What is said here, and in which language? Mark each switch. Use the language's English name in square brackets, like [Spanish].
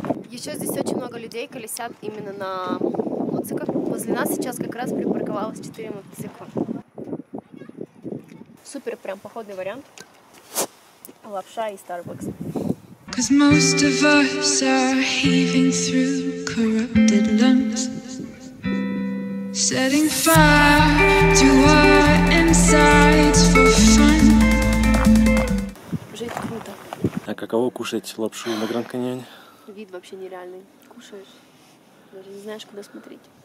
[Russian] Еще здесь очень много людей колесят именно на мотоциклах. Возле нас сейчас как раз припарковалось 4 мотоцикла. Супер прям походный вариант. Лапша и Starbucks. [English] Cause most of us are heaving through corrupted lungs, setting fire to our insides for fun. [Russian] Жить круто. А каково кушать лапшу на Гранд Каньоне? Вид вообще нереальный. Кушаешь, даже не знаешь, куда смотреть.